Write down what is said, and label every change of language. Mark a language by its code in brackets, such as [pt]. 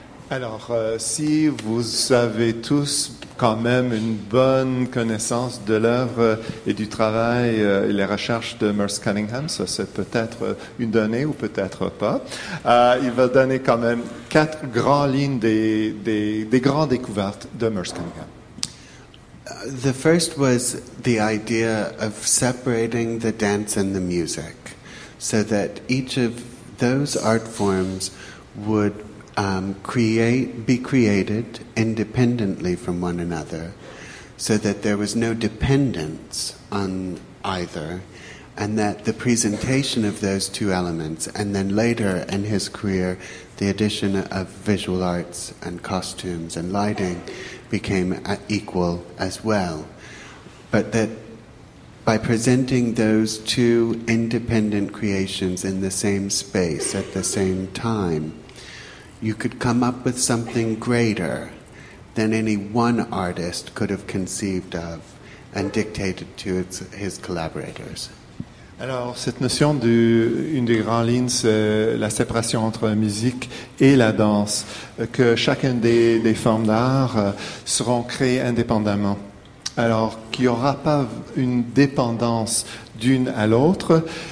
[fr] Alors, si vous avez tous quand même une bonne connaissance de l'œuvre et du travail et les recherches de Merce Cunningham, ça c'est peut-être une donnée ou peut-être pas. Il va donner quand même quatre grandes lignes des grandes découvertes de Merce Cunningham. [en] The first was the idea of separating the dance and the music, so that each of those art forms would be created independently from one another, so that there was no dependence on either, And that the presentation of those two elements, and then later in his career, the addition of visual arts and costumes and lighting became equal as well. But that by presenting those two independent creations in the same space at the same time, you could come up with something greater than any one artist could have conceived of and dictated to his collaborators. [fr] Alors, cette notion d'une des grandes lignes, c'est la séparation entre la musique et la danse, que chacune des formes d'art seront créées indépendamment. Alors, qu'il n'y aura pas une dépendance d'une à l'autre.